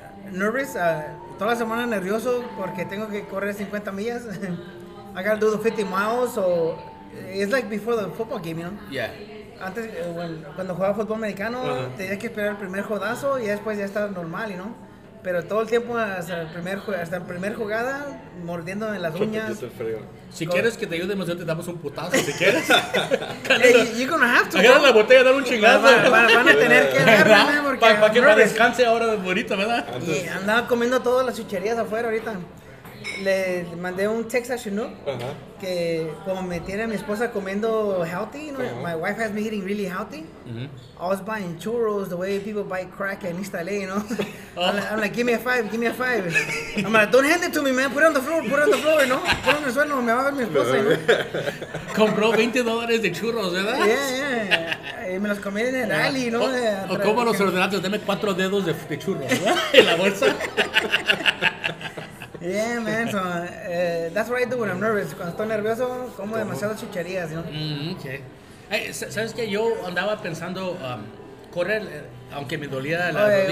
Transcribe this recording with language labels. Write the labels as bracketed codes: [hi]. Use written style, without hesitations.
[es] Nervous, toda la semana nervioso porque tengo que correr 50 millas. [en] I gotta do the 50 miles, so it's like before the football game, you know? Yeah. [es] Antes, cuando jugaba fútbol americano, tenía que esperar el primer jodazo y después ya estaba normal, [en] you know? [es] Pero todo el tiempo hasta el primer jugada mordiendo en las uñas. Si quieres que te ayudemos, yo te damos un putazo si quieres. [en] You're gonna have to. [es] Agarra la botella, dar un chingazo. Van a tener que agarrarme porque para que me descanse ahora de bonito, ¿verdad? Y andaba comiendo todas las chucherías afuera ahorita. le mandé un text a Chinook que como me tiene a mi esposa comiendo healthy, [en] you know, my wife has me eating really healthy. I was buying churros the way people buy crack in East LA, you know. I'm like, give me a five. I'm like, don't hand it to me, man. Put it on the floor, you know. Put it on [es] el suelo, me va a ver mi esposa, [en] you know. [es] Compró $20 de churros, ¿verdad? Yeah. Y me los comí en el alley, [en] you know. [es] O cómo los ordenaste, deme cuatro dedos de churros, ¿verdad? En la bolsa. [en] Yeah, man, so that's what I do when I'm nervous. [es] Cuando estoy nervioso, como demasiadas chucherías, ¿no? Okay. Hey, ¿sabes qué? Yo andaba pensando correr, aunque me dolía la rodilla.